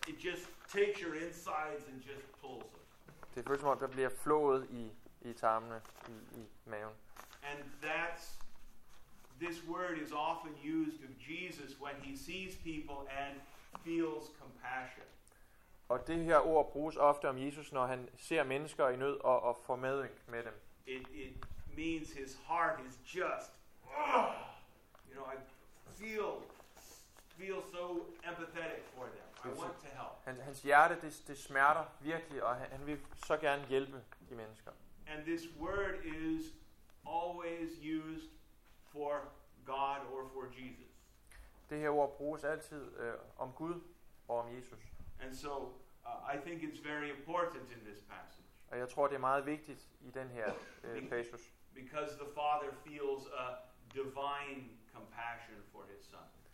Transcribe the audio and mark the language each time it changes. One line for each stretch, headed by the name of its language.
English: It just takes your insides and just pulls them.
Danish: Det føles som om, der bliver flået i tarmene, i maven.
English: And this word is often used of Jesus when he sees people and feels compassion.
Danish: Og det her ord bruges ofte om Jesus, når han ser mennesker i nød og får medynk med dem.
English: It means his heart is just, you know, I feel so empathetic for them. I want to help.
Danish: Hans hjerte, det smerter virkelig, og han vil så gerne hjælpe de mennesker.
English: And this word is always used for God or for Jesus.
Danish: Det her ord bruges altid om Gud og om Jesus.
English: And so I think it's very important in this passage.
Danish: Og jeg tror det er meget vigtigt i den her passage.
English: Because the father feels a divine compassion for his son.